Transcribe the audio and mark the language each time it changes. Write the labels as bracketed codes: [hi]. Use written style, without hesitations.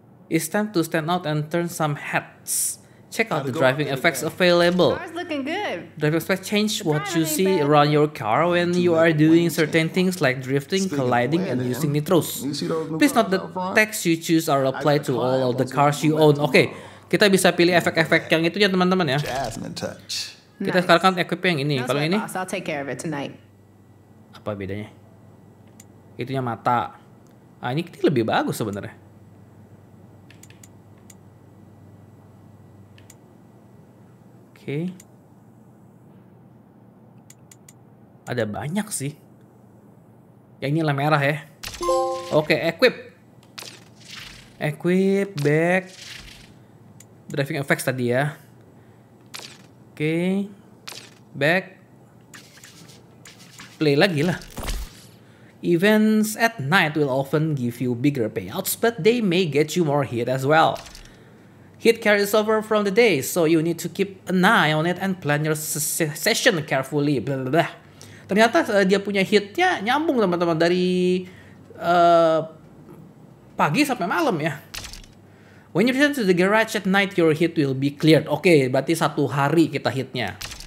[en] It's time to stand out and turn some heads. Check out the driving effects available. Car's looking good. Driving effects change what you see around your car when you are doing certain things like drifting, colliding, and using nitros. Please note the text you choose are applied to all of the cars you own. [id] Okay, kita bisa pilih efek-efek yang itu ya teman-teman ya. Kita sekarang kan equip yang ini. Kalau ini, [en] I'll take care of it tonight. [id] Apa bedanya? Itunya mata. Ah, ini lebih bagus sebenarnya. Oke, okay. Ada banyak sih. Ya ini lah merah ya. Oke, okay, [en] equip back, driving effects [id] tadi ya. Oke, okay. Back, play lagi lah. [en] Events at night will often give you bigger payouts, but they may get you more hit as well. Hit carries over from the day, so you need to keep an eye on it and plan your session carefully. Blah, blah, blah. [id] Ternyata dia punya hitnya nyambung teman-teman dari pagi sampai malam ya. [en] When you return to the garage at night, your hit will be cleared. [id] Oke, okay, berarti satu hari kita hitnya.